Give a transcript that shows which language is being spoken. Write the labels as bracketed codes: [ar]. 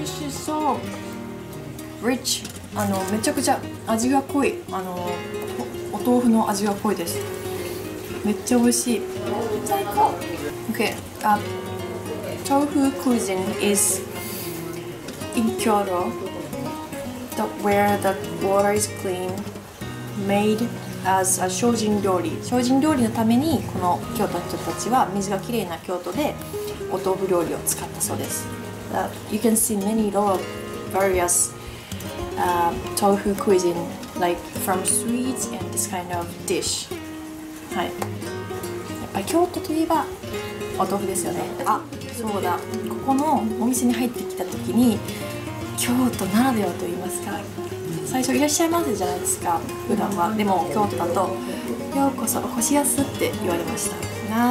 [ja] そう、rich、めちゃくちゃ味が濃い、お豆腐の味が濃いです。めっちゃ美味しい。最高。 [en] Okay, tofu cuisine is in Kyoto, the where the water is clean, made as a 精進料理。 [ja] 精進料理のためにこの京都の人たちは水がきれいな京都でお豆腐料理を使ったそうです。 [en] You can see many various tofu cuisine, like from sweets and this kind of dish. [ja] はい。やっぱり京都といえばお豆腐ですよね。あ、そうだ。ここのお店に入ってきた時に、京都ならではと言いますか、最初いらっしゃいませじゃないですか、普段は。でも京都だと、ようこそお越しやすって言われました。